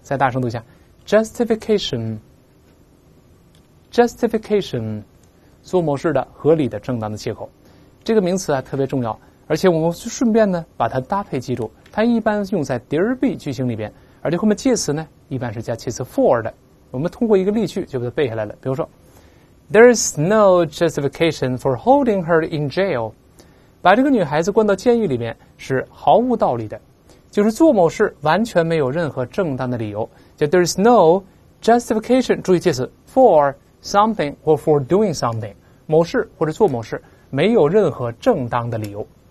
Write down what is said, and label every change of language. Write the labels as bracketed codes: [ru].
[zh] 再大声读一下 ，justification， 做某事的合理的、正当的借口。这个名词啊特别重要，而且我们就顺便呢把它搭配记住。它一般用在 derby 句型里边，而且后面介词呢一般是加介词 for 的。我们通过一个例句就把它背下来了，比如说。 [en] There is no justification for holding her in jail. [zh] 把这个女孩子关到监狱里面是毫无道理的，就是做某事完全没有任何正当的理由。就 [en] There is no justification， [zh] 注意介词 [en] for something or for doing something， [zh] 某事或者做某事没有任何正当的理由。